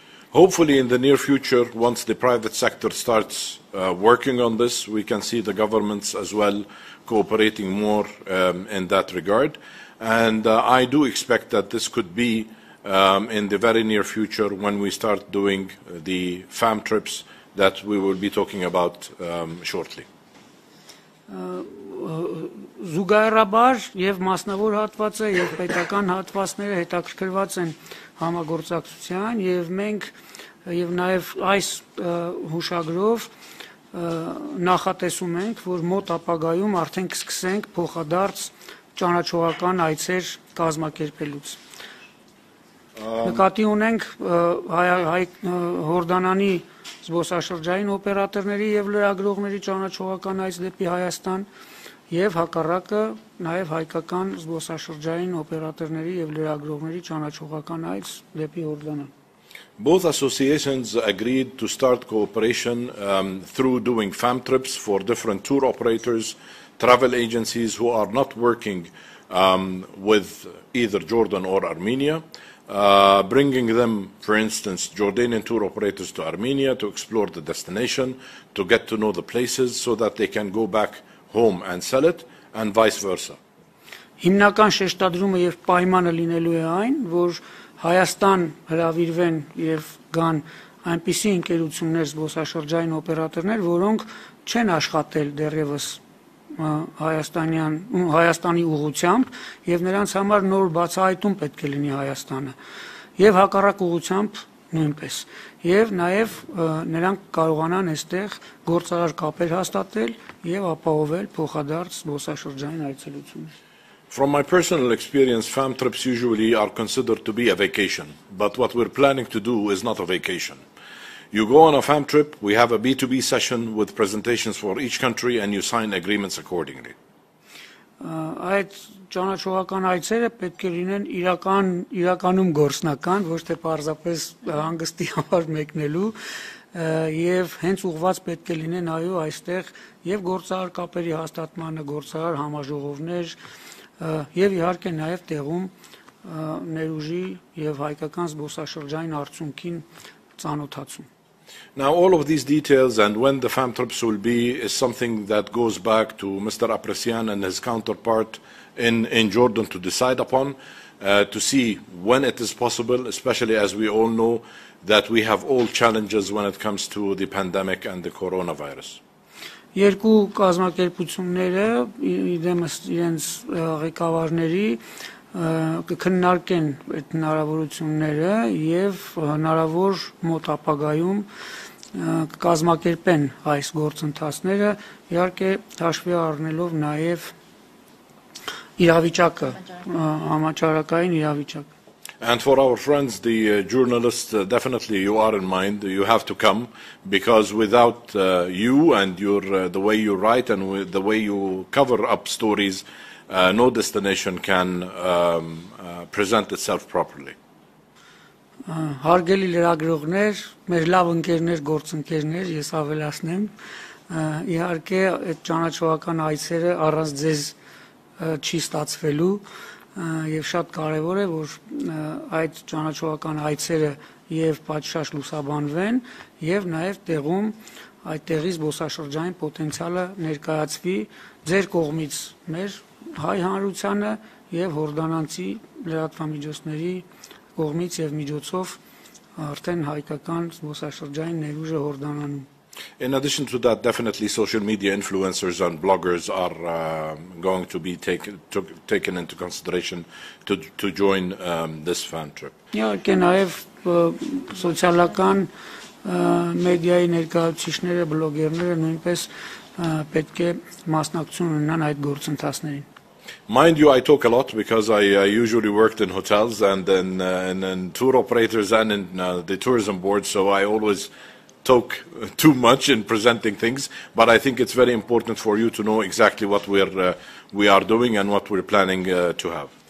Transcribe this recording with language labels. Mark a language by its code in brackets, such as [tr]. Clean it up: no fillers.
[en] Hopefully in the near future, once the private sector starts working on this, we can see the governments as well cooperating more in that regard. And I do expect that this could be in the very near future when we start doing the FAM trips that we will be talking about shortly. [hy] Զուգահեռաբար եւ մասնավոր հատվածը եւ պետական հատվածները հետաքրքրված են համագործակցության եւ մենք եւ նաեւ այս հուշագրով նախատեսում ենք, որ մոտ ապագայում արդեն կսկսենք փոխադարձ ճանաչողական այցեր կազմակերպելուց։ Նկատի ունենք հայ հորդանանի զբոսաշրջային օպերատորների եւ լրագրողների ճանաչողական այս դեպի Հայաստան եւ հակառակը նաեւ հայկական զբոսաշրջային օպերատորների եւ լրագրողների ճանաչողական այս դեպի Հորդանան։ [en] Both associations agreed to start cooperation through doing FAM trips for different tour operators, travel agencies who are not working with either Jordan or Armenia. Bringing them, for instance, Jordanian tour operators to Armenia to explore the destination, to get to know the places so that they can go back home and sell it, and vice versa. [hy] Հիմնական շեշտադրումը եւ պայմանը լինելու է այն, որ Հայաստան հրավիրվեն եւ գան այնպիսի ընկերություններ զբոսաշրջային օպերատորներ, որոնք չեն աշխատել դեռևս հայաստանյան հայաստանի ուղղությամբ եւ նրանց համար նոր բացահայտում պետք է լինի Հայաստանը եւ հակառակ ուղղությամբ նույնպես եւ նաեւ նրանք կարողանան այստեղ գործարար կապեր հաստատել եւ ապահովել փոխադարձ զբոսաշրջային այցելություն։ [en] From my personal experience, FAM trips usually are considered to be a vacation, but what we're planning to do is not a vacation. You go on a FAM trip, we have a B2B session with presentations for each country and you sign agreements accordingly. [hy] Այդ ճանաչողական այցերը պետք է լինեն իրական իրականում գործնական, ոչ թե պարզապես հանգստի համար մեկնելու, եւ հենց ուղված պետք է լինեն այո այստեղ եւ գործարար կապերի հաստատմանը, գործարար համաժողովներ եւ իհարկե նաեւ տեղում ներուժի եւ հայկական զբոսաշրջային արդյունքին ծանոթացում։ [en] Now, all of these details and when the FAM trips will be is something that goes back to Mr. Apresian and his counterpart in Jordan to decide upon, to see when it is possible, especially as we all know that we have all challenges when it comes to the pandemic and the coronavirus. [hy] Երկու կազմակերպությունները, իդեմս իրենց ղեկավարների, կքննարկեն այդ հնարավորությունները եւ հնարավոր մոտ ապագայում կկազմակերպեն այս գործընթացները, իհարկե հաշվի առնելով նաեւ իրավիճակը, համաճարակային իրավիճակը։ [en] And for our friends, the journalists, definitely you are in mind. You have to come, because without you and your the way you write and the way you cover up stories, no destination can present itself properly. [hy] Հարգելի լրագրողներ, մեր լավ ընկերներ, գործընկերներ, ես ավելացնեմ, իհարկե այդ ճանաչողական այցերը առանց ձեզ չի ստացվելու, եւ շատ կարեւոր է որ այդ ճանաչողական այցերը եւ պատշաճ լուսաբանվեն եւ նաեւ տեղում այդտեղի զբոսաշրջային պոտենցիալը ներկայացվի ձեր կողմից մեր հայ հանրությանը եւ հորդանանցի լրատվամիջոցների կողմից եւ միջոցով արդեն հայկական զբոսաշրջային ներուժը հորդանանում [en] In addition to that, definitely social media influencers and bloggers are going to be taken into consideration to join this fan trip. Yeah, can I have [hy] social media ներկայացուցիչները, բլոգերները նույնպես պետք է մասնակցություն ունենան այդ գործընթացներին. [en] Mind you, I talk a lot because I usually worked in hotels and then and tour operators and in the tourism board, so I always talk too much in presenting things, but I think it's very important for you to know exactly what we are doing and what we're planning to have.